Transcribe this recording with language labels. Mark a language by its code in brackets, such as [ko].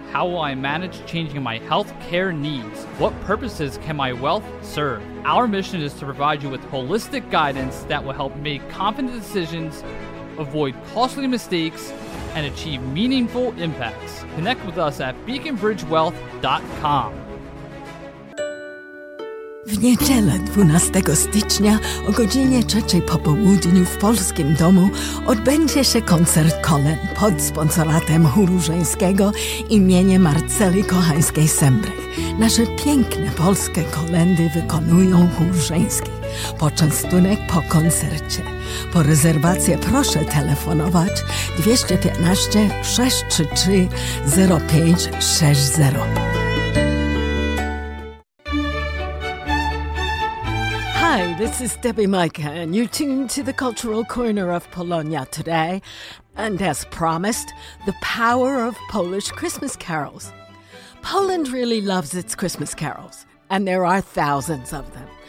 [en] How will I manage changing my health care needs? What purposes can my wealth serve? Our mission is to provide you with holistic guidance that will help make confident decisions, avoid costly mistakes, and achieve meaningful impacts. Connect with us at beaconbridgewealth.com. [pl] W niedzielę 12 stycznia o godzinie 3 po południu w Polskim Domu odbędzie się koncert kolęd pod sponsoratem Chóru Żeńskiego imieniem Marceli Kochańskiej-Sembrych. Nasze piękne polskie kolędy wykonują Chór Żeński. Poczęstunek po koncercie. Po rezerwację proszę telefonować 215-633-0560. [en] Hi, this is Debbie Majka, and you're tuned to the Cultural Corner of Polonia Today. And as promised, the power of Polish Christmas carols. Poland really loves its Christmas carols, and there are thousands of them.